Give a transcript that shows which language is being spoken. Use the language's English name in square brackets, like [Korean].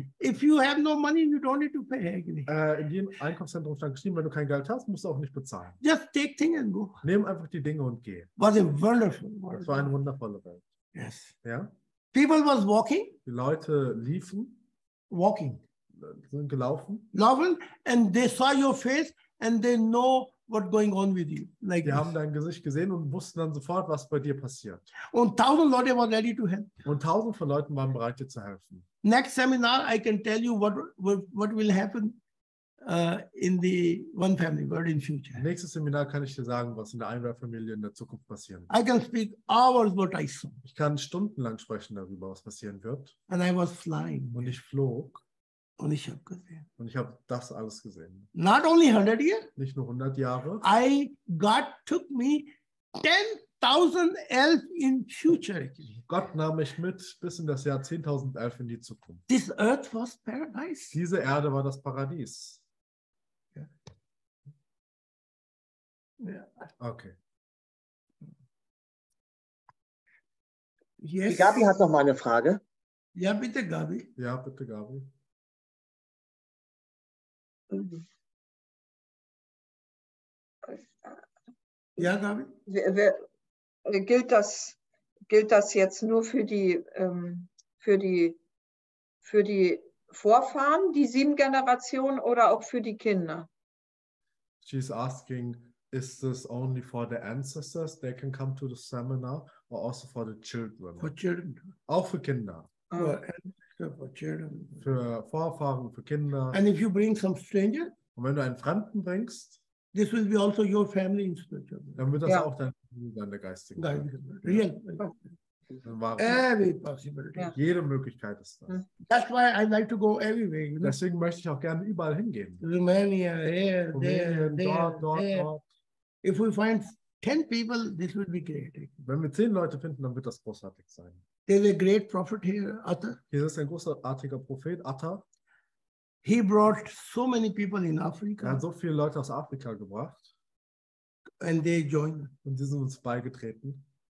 [English] If you have no money, you don't need to pay again. [German] In jedem Einkaufszentrum stand geschrieben, wenn du kein Geld hast, musst du auch nicht bezahlen. [English] Just take things and go. [German] Nimm einfach die Dinge und geh. [English] Was a wonderful world. [German] Das war eine wundervolle Welt. [English] Yes. [German] Ja? [English] People was walking. [German] Die Leute liefen. [English] Walking. [German] Sind gelaufen. [English] Laufen and they saw your face and they know what going on with you. Like die this. [German] Haben dein Gesicht gesehen und wussten dann sofort, was bei dir passiert. Und tausend Leute waren [English] ready to help. [German] Und tausend von Leuten waren bereit, dir zu helfen. [English] Next seminar, I can tell you what will happen in the one family world in future. [German] Nächstes Seminar kann ich dir sagen, was in der Einwohnerfamilie in der Zukunft passieren [English] wird. I can speak hours what I saw. [German] Ich kann stundenlang sprechen darüber, was passieren wird. [English] And I was flying. [German] Und ich flog. Und ich habe gesehen. Und ich habe das alles gesehen. [English] Not only 100 years. [German] Nicht nur 100 Jahre. [English] I God took me 10,000 elf in future. [German] Gott nahm mich mit bis in das Jahr 10,011 in die Zukunft. [English] This earth was paradise. [German] Diese Erde war das Paradies. [English] Yeah. Yeah. Okay. [German] Yes. Die Gabi hat noch mal eine Frage. Ja, bitte Gabi. Ja, bitte Gabi. Ja, David? Wer, gilt das jetzt nur für die Vorfahren, die 7 Generationen, oder auch für die Kinder? [English] She's asking, is this only for the ancestors? They can come to the seminar, or also for the children? For children. [German] Auch für Kinder. [English] For children. [German] Für Vorfahren, für Kinder. [English] And if you bring some stranger? [German] Und wenn du einen Fremden bringst? [English] This will be also your family in spiritual. [German] Dann wird das auch deine geistige. [English] Real. Every possibility. [German] Jede Möglichkeit ist das. [English] That's why I like to go everywhere. You [German] know? Deswegen möchte ich auch gerne überall hingehen. [English] Romania, here, dort. If we find 10 people, this will be great. [German] Wenn wir 10 Leute finden, dann wird das großartig sein. [English] There's a great prophet here, Atta. [German] Hier ist ein großartiger Prophet, Atta. [English] He brought so many people in Africa. [German] Er hat so viele Leute aus Afrika gebracht. [English] And they joined. [German] Und die sind uns beigetreten.